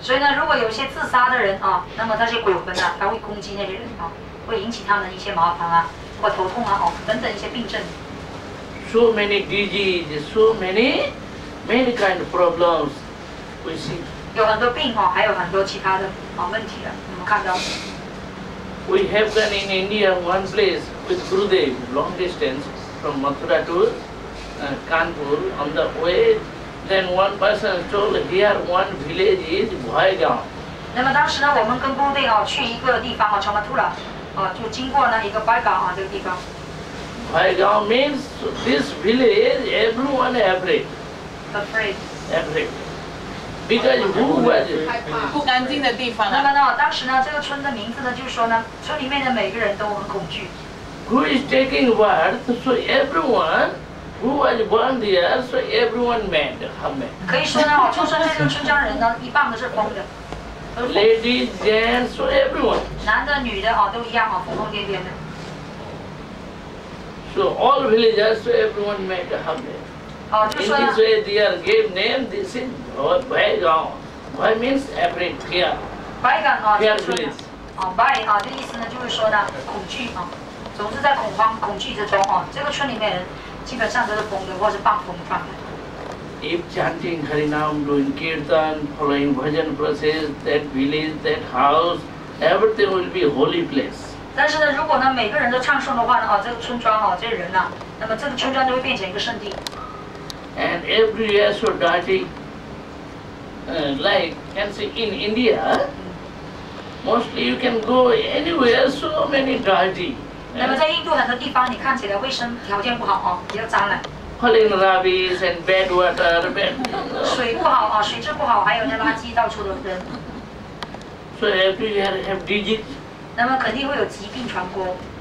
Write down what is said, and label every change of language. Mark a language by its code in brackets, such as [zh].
[zh] 所以呢，如果有些自杀的人啊，那么那些鬼魂呢、啊，他会攻击那些人啊，会引起他们一些麻烦啊，或头痛啊，等等一些病症。 [en] So many diseases, so many, many kind of problems, we see. [zh] 有很多病啊，还有很多其他的啊问题的，我们看到。 [en] We have gone in India one place with Gurudev, long distance from Mathura to Kanpur on the way. Then one person told here one village is Bhaygaon. [zh] 那么当时呢，我们跟 Gurudev 啊去一个地方啊，从 Mathura 啊就经过了一个 Bhaygaon 啊这个地方。 [en] Bhaygaon means this village, everyone afraid. Afraid. Because who was [zh] 不干净的地方、啊。那么呢，当时呢，这个村的名字呢，就是说呢，村里面的每个人都很恐惧。 [en] Who is taking birth? So everyone who was born there, so everyone mad, half mad. [zh] 可以说呢，就算这个村庄人呢，一半都是疯的。 [en] Ladies, gents, so everyone. [zh] 男的、女的啊，都一样啊，疯疯癫癫的。 [en] So all villagers, so everyone mad, half mad. [zh] 就说 [en] In this way, they are gave name. This is Bhaygaon. Bhay means afraid, fear. Bhaygaon, fearless. [zh] 啊 ，Bhay 啊，这意思呢，就是说呢，恐惧啊，总是在恐慌、恐惧之中啊。这个村里面人基本上都是疯的，或是半疯状态。 [en] If chanting Hari Nam, doing kirtan, following bhajan process, that village, that house, everything will be holy place. [zh] 但是呢，如果呢，每个人都唱诵的话呢，啊，这个村庄啊，这些人呢，那么这个村庄就会变成一个圣地。 [en] And every year so dirty, like can see in India, mostly you can go anywhere so many dirty. [zh] 那么在印度很多地方，你看起来卫生条件不好啊，比较脏了。 [en] Falling rubbish and bad water, bad [zh] 水不好啊，水质不好，还有那垃圾到处都扔。 So every year have disease. 那么肯定会有疾病传播。